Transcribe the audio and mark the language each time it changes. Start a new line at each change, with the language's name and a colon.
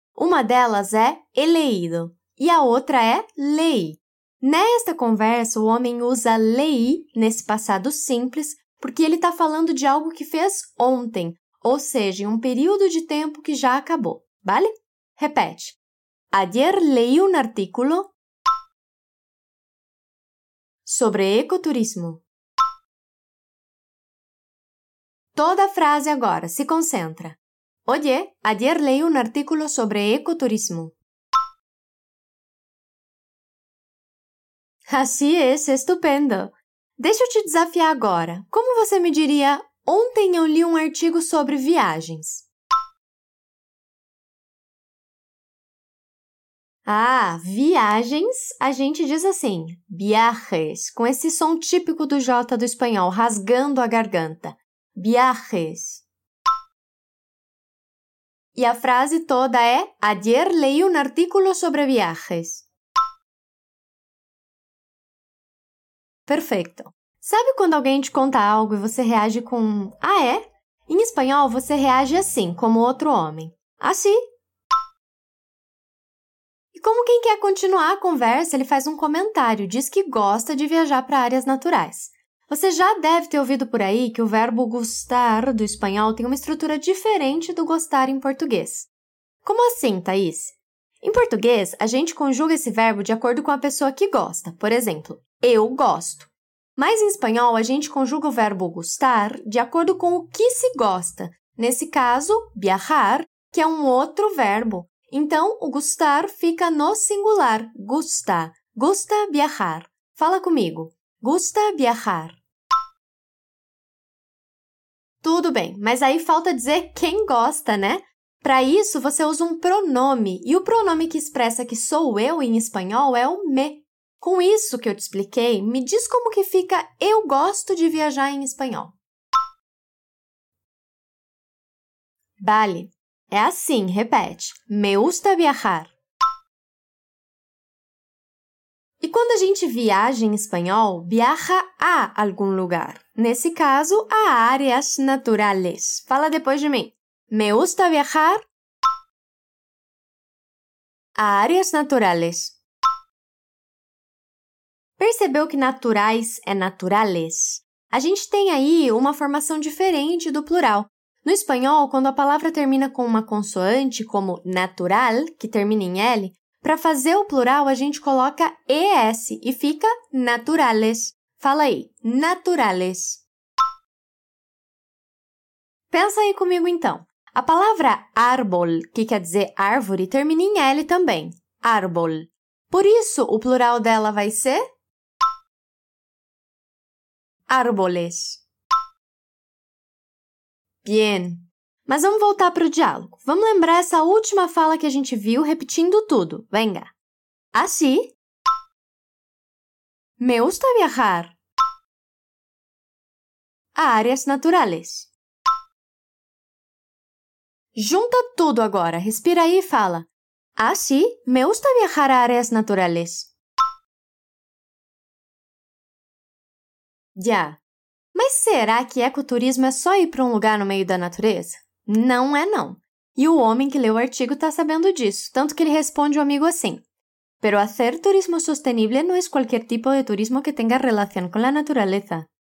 Portuguese: Uma delas é
Spanish: he leído
Portuguese: e a outra é leí. Nesta conversa, o homem usa leí nesse passado simples porque ele está falando de algo que fez ontem. Ou seja, em um período de tempo que já acabou, vale? Repete.
Spanish: Ayer leí un artículo sobre ecoturismo.
Portuguese: Toda a frase agora, se concentra.
Spanish: Oye, ayer leí un artículo sobre ecoturismo.
Portuguese: Assim é, estupendo. Deixa eu te desafiar agora. Como você me diria, ontem eu li um artigo sobre viagens? Ah, viagens, a gente diz assim, viajes, com esse som típico do J do espanhol, rasgando a garganta.
Spanish: Viajes.
Portuguese: E a frase toda é,
Spanish: ayer leí un artículo sobre viajes.
Portuguese: Perfeito. Sabe quando alguém te conta algo e você reage com, ah, é? Em espanhol, você reage assim, como outro homem. Assim. E como quem quer continuar a conversa, ele faz um comentário, diz que gosta de viajar para áreas naturais. Você já deve ter ouvido por aí que o verbo gustar do espanhol tem uma estrutura diferente do gostar em português. Como assim, Thaís? Em português, a gente conjuga esse verbo de acordo com a pessoa que gosta. Por exemplo, eu gosto. Mas em espanhol, a gente conjuga o verbo gustar de acordo com o que se gosta. Nesse caso, viajar, que é um outro verbo. Então, o gustar fica no singular,
Spanish: gusta, gusta viajar.
Portuguese: Fala comigo,
Spanish: gusta viajar.
Portuguese: Tudo bem, mas aí falta dizer quem gosta, né? Para isso, você usa um pronome, e o pronome que expressa que sou eu em espanhol é o me. Com isso que eu te expliquei, me diz como que fica eu gosto de viajar em espanhol. Vale. É assim, repete.
Spanish: Me gusta viajar.
Portuguese: E quando a gente viaja em espanhol, viaja a algum lugar. Nesse caso, a
Spanish: áreas naturales.
Portuguese: Fala depois de mim.
Spanish: Me gusta viajar a áreas naturales.
Portuguese: Percebeu que naturais é naturales? A gente tem aí uma formação diferente do plural. No espanhol, quando a palavra termina com uma consoante, como natural, que termina em L, para fazer o plural, a gente coloca ES e fica naturales. Fala aí, naturales. Pensa aí comigo, então. A palavra árbol, que quer dizer árvore, termina em L também, árbol. Por isso, o plural dela vai ser árboles. Bien. Mas vamos voltar para o diálogo. Vamos lembrar essa última fala que a gente viu repetindo tudo.
Spanish: Venga. Así. Me gusta viajar a áreas naturales.
Portuguese: Junta tudo agora. Respira aí e fala. Así.
Spanish: Me gusta viajar a áreas naturales. Ya. Yeah.
Portuguese: Mas será que ecoturismo é só ir para um lugar no meio da natureza? Não é, não. E o homem que leu o artigo está sabendo disso, tanto que ele responde o amigo assim.
Spanish: Pero hacer turismo
Portuguese: sostenível não é qualquer tipo de turismo que tenha relação com a natureza.